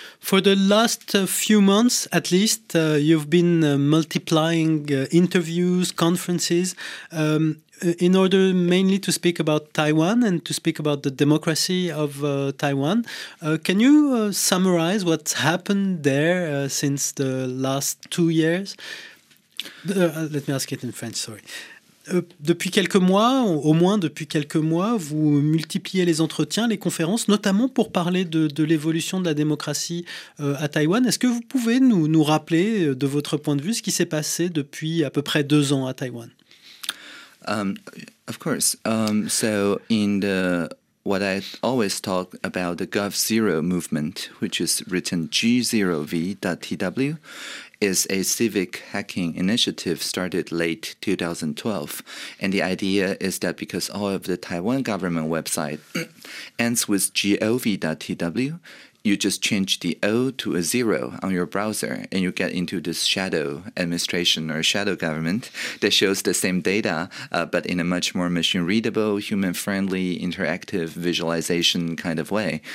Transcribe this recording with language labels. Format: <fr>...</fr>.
<en>For the last few months, at least, you've been multiplying interviews, conferences, in order mainly to speak about Taiwan and to speak about the democracy of Taiwan. Can you summarize what's happened there since the last 2 years? Let me ask it in French, sorry.</en> <fr>Depuis quelques mois, au moins depuis quelques mois, vous multipliez les entretiens, les conférences, notamment pour parler de l'évolution de la démocratie à Taïwan. Est-ce que vous pouvez nous rappeler, de votre point de vue, ce qui s'est passé depuis à peu près 2 ans à Taïwan?</fr> <en>Of course. So in the what I always talk about, the GovZero movement, which is written G0V.tw, is a civic hacking initiative started late 2012. And the idea is that because all of the Taiwan government website ends with gov.tw, you just change the O to a zero on your browser and you get into this shadow administration or shadow government that shows the same data, but in a much more machine-readable, human-friendly, interactive visualization kind of way.</en>